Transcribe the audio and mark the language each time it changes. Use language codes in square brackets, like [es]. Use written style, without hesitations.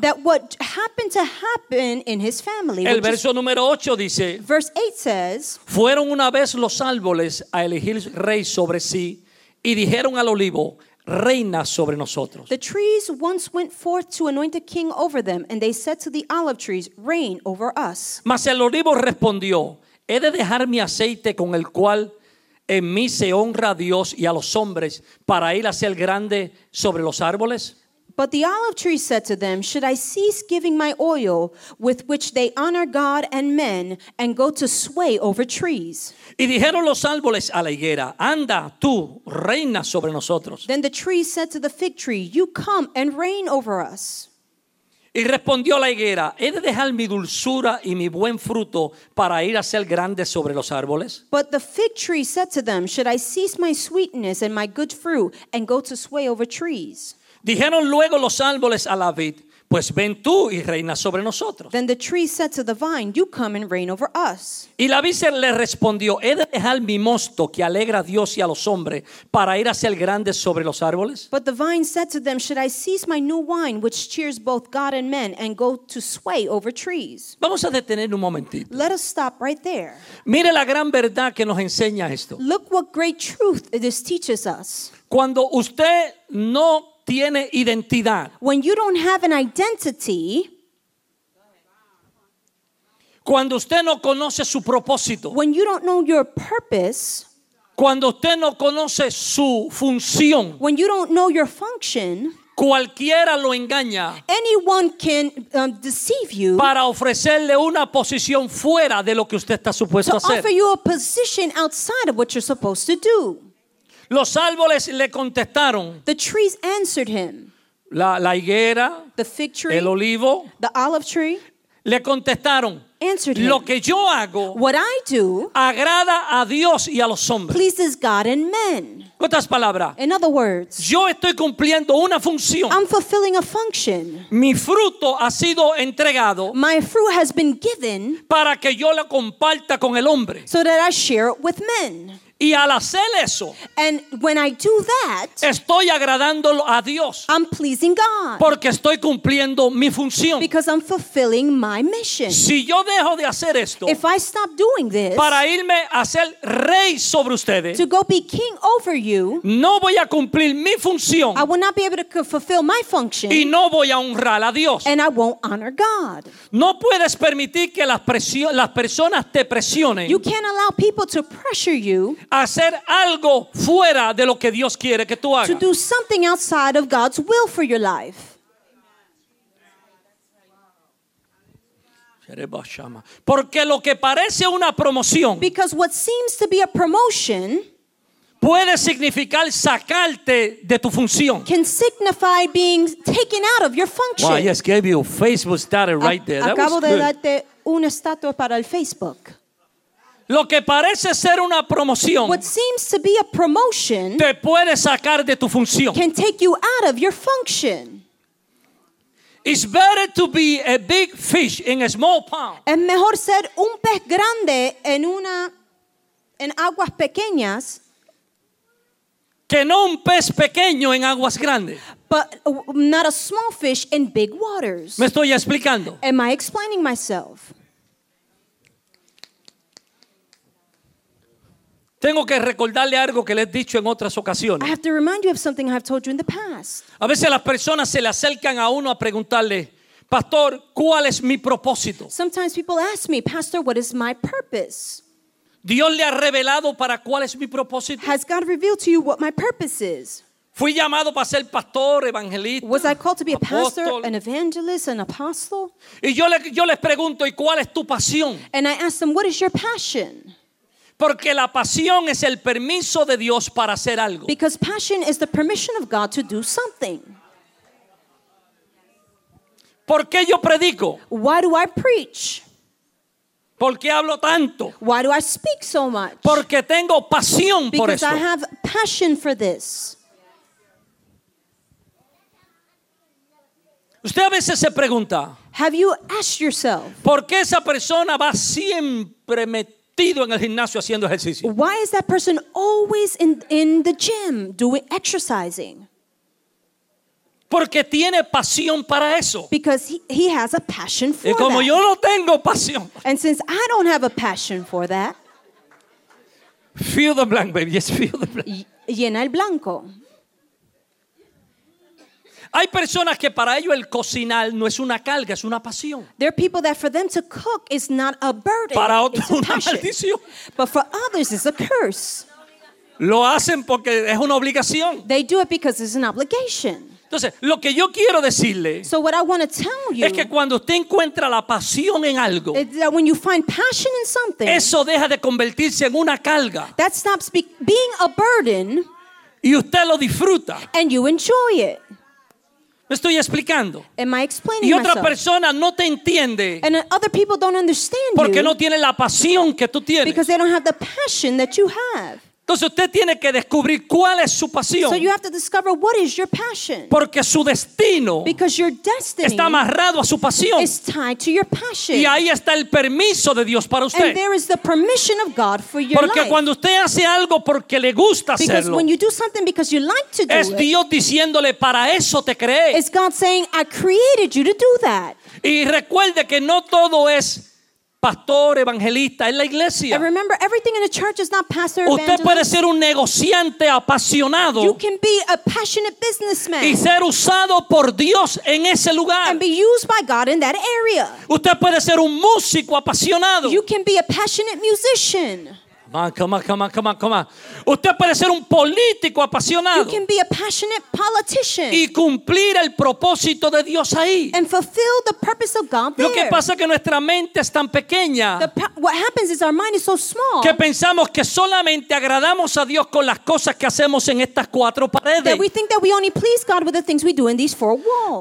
[en] that what happened to happen in his family. [es] El verso número 8 dice, [en] verse 8 says, [es] fueron una vez los árboles a elegir rey sobre sí, y dijeron al olivo, reina sobre nosotros. [en] The trees once went forth to anoint a king over them, and they said to the olive trees, reign over us. [es] Mas el olivo respondió, he de dejar mi aceite con el cual en mí se honra a Dios y a los hombres para ir a ser grande sobre los árboles. [en] But the olive tree said to them, should I cease giving my oil with which they honor God and men and go to sway over trees? [es] Y dijeron los árboles a la higuera, anda tú, reina sobre nosotros. [en] Then the tree said to the fig tree, you come and reign over us. [es] Y respondió la higuera, he de dejar mi dulzura y mi buen fruto para ir a ser grande sobre los árboles. [en] But the fig tree said to them, should I cease my sweetness and my good fruit and go to sway over trees? [es] Dijeron luego los árboles a la vid, pues ven tú y reina sobre nosotros. [en] Then the tree said to the vine, you come and reign over us. [es] Y la vid le respondió, he de dejar mi mosto que alegra a Dios y a los hombres para ir a ser grande sobre los árboles. [en] But the vine said to them, should I cease my new wine which cheers both God and men and go to sway over trees? [es] Vamos a detener un momentito. [en] Let us stop right there. [es] Mire la gran verdad que nos enseña esto. [en] Look what great truth this teaches us. [es] Cuando usted no tiene identidad. [en] When you don't have an identity, [es] cuando usted no conoce su propósito, [en] when you don't know your purpose, [es] cuando usted no conoce su función, [en] when you don't know your function, [es] cualquiera lo engaña, [en] anyone can deceive you, [es] para ofrecerle una posición fuera de lo que usted está supuesto a hacer. [en] To offer you a position outside of what you're supposed to do. [es] Los árboles le contestaron. [en] The trees answered him. [es] La higuera. [en] The fig tree. [es] El olivo. [en] The olive tree. [es] Le contestaron. [en] Answered [es] lo [en] him. [es] Que yo hago. [en] What I do. [es] Agrada a Dios y a los hombres. [en] Pleases God and men. [es] En otras palabras. [en] In other words. [es] Yo estoy cumpliendo una función. [en] I'm fulfilling a function. [es] Mi fruto ha sido entregado. [en] My fruit has been given. [es] Para que yo lo comparta con el hombre. [en] So that I share it with men. [es] Y al hacer eso, [en] and when I do that, [es] estoy agradando a Dios, [en] I'm pleasing God, [es] porque estoy cumpliendo mi función, [en] because I'm fulfilling my mission. [es] Si yo dejo de hacer esto, [en] if I stop doing this, [es] para irme a ser rey sobre ustedes, [en] to go be king over you, [es] no voy a cumplir mi función, [en] I will not be able to fulfill my function, [es] y no voy a honrar a Dios, [en] and I won't honor God. [es] No puedes permitir que las personas te presionen. [en] You can't allow people to pressure you. [es] Hacer algo fuera de lo que Dios quiere que tú hagas. [en] To do something outside of God's will for your life. [es] Porque lo que parece una promoción, [en] because what seems to be a promotion, [es] puede significar sacarte de tu función. [en] Can signify being taken out of your function. Wow, yes, gave you Facebook started right there. That [es] acabo [en] was [es] de [en] good. [es] Darte una estatua para el Facebook. Lo que parece ser una promoción, [en] what seems to be a promotion, [es] te puede sacar de tu función. [en] Can take you out of your function. It's better to be a big fish in a small pond. [es] Es mejor ser un pez grande en aguas pequeñas que no un pez pequeño en aguas grandes. [en] But not a small fish in big waters. [es] ¿Me estoy explicando? [en] Am I explaining myself? [es] Tengo que recordarle algo que le he dicho en otras ocasiones. [en] I have to remind you of something I've told you in the past. [es] A veces las personas se le acercan a uno a preguntarle, Pastor, ¿cuál es mi propósito? [en] Sometimes people ask me, Pastor, what is my purpose? [es] Dios le ha revelado para cuál es mi propósito. [en] Has God revealed to you what my purpose is? [es] Fui llamado para ser pastor, evangelista. [en] Was I called to be a pastor, an evangelist, an apostle? [es] Y yo les pregunto, ¿y cuál es tu pasión? [en] And I ask them, what is your passion? [es] Porque la pasión es el permiso de Dios para hacer algo. [en] Because passion is the permission of God to do something. [es] ¿Por qué yo predico? [en] Why do I preach? [es] ¿Por qué hablo tanto? [en] Why do I speak so much? [es] Porque tengo pasión [en] por [es] eso. [en] Because I have passion for this. [es] Usted a veces se pregunta, [en] have you asked yourself, [es] ¿por qué esa persona va siempre metido en el gimnasio haciendo ejercicio? [en] Why is that person always in the gym doing exercising? [es] Porque tiene pasión para eso. [en] Because he has a passion for that. [es] Y como [en] that. [es] Yo no tengo pasión. [en] And since I don't have a passion for that. Fill the blank, baby. Yes, fill the blank. [es] Llena el blanco. Hay personas que para ellos el cocinar no es una carga, es una pasión. [en] There are people that for them to cook is not a burden. [es] Para otros es una maldición. [en] But for others it's a curse. [es] Lo hacen porque es una obligación. [en] They do it because it's an obligation. [es] Entonces, lo que yo quiero decirle [en] so what I want to tell you, [es] es que cuando usted encuentra la pasión en algo, [en] when you find passion in something, [es] eso deja de convertirse en una carga. [en] That stops being a burden. [es] Y usted lo disfruta. [en] And you enjoy it. [es] ¿Me estoy explicando? [en] Am I explaining myself? [es] Y otra persona no te entiende. [en] And other people don't understand you. [es] Porque no tiene la pasión que tú tienes. [en] Because they don't have the passion that you have. [es] Entonces usted tiene que descubrir cuál es su pasión. [en] So you have to discover what is your passion. [es] Porque su destino está amarrado a su pasión. [en] Is tied to your passion. [es] Y ahí está el permiso de Dios para usted. [en] And there is the permission of God for your [es] porque [en] life. [es] Cuando usted hace algo porque le gusta [en] because [es] hacerlo, [en] when you do something because you like to do [es] es Dios [en] it, [es] diciéndole para eso te creé. [en] It's God saying, I created you to do that. [es] Y recuerde que no todo es pastor, evangelista, en la iglesia. [en] And remember, everything in a church is not pastor, evangelist. [es] Usted puede ser un negociante apasionado. [en] You can be a passionate businessman. [es] Y ser usado por Dios en ese lugar. [en] And be used by God in that area. [es] Usted puede ser un músico apasionado. [en] You can be a passionate musician. Come on. [es] Usted puede ser un político apasionado. [en] You can be a passionate politician. [es] Y cumplir el propósito de Dios ahí. [en] And fulfill the purpose of God there. [es] Lo que pasa es que nuestra mente es tan pequeña. [en] What happens is our mind is so small. [es] Que pensamos que solamente agradamos a Dios con las cosas que hacemos en estas cuatro paredes. [en] That we think that we only please God with the things we do in these four walls.